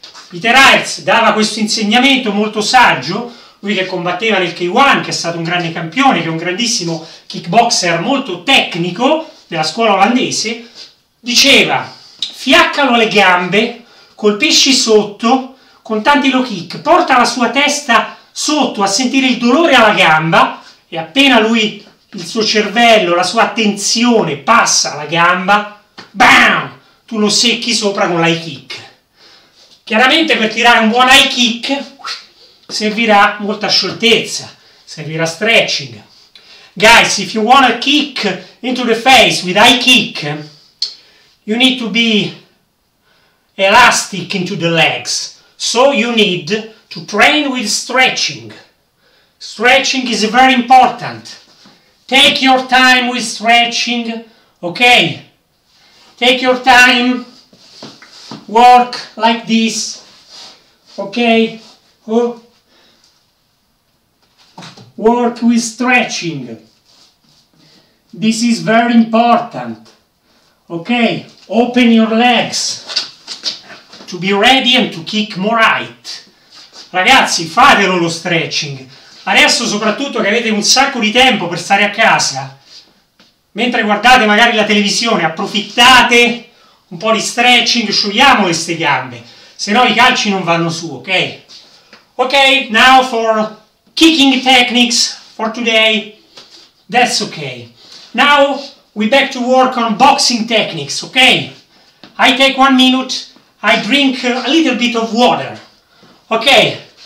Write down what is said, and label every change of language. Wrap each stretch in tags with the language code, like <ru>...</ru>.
<it>Peter Hertz dava questo insegnamento molto saggio, lui che combatteva nel K1, che è stato un grande campione, che è un grandissimo kickboxer molto tecnico della scuola olandese, diceva, fiaccalo alle gambe, colpisci sotto con tanti low kick, porta la sua testa sotto a sentire il dolore alla gamba e appena lui, il suo cervello, la sua attenzione passa alla gamba, bam, tu lo secchi sopra con l'high kick. Chiaramente per tirare un buon high kick servirà molta scioltezza, servirà stretching.</it> <en>Guys, if you want a kick into the face with high kick, you need to be elastic into the legs. So you need to train with stretching. Stretching is very important. Take your time with stretching, okay? Take your time, work like this, okay? Work with stretching. This is very important, okay? Open your legs to be ready and to kick more height.</en> <it>Ragazzi, fatelo lo stretching. Adesso soprattutto che avete un sacco di tempo per stare a casa, mentre guardate magari la televisione, approfittate un po' di stretching, sciogliamo queste gambe, sennò i calci non vanno su, ok?</it> <en>Ok, now for kicking techniques for today, that's okay. Now we back to work on boxing techniques, ok? I take 1 minute, I drink a little bit of water, ok?</en>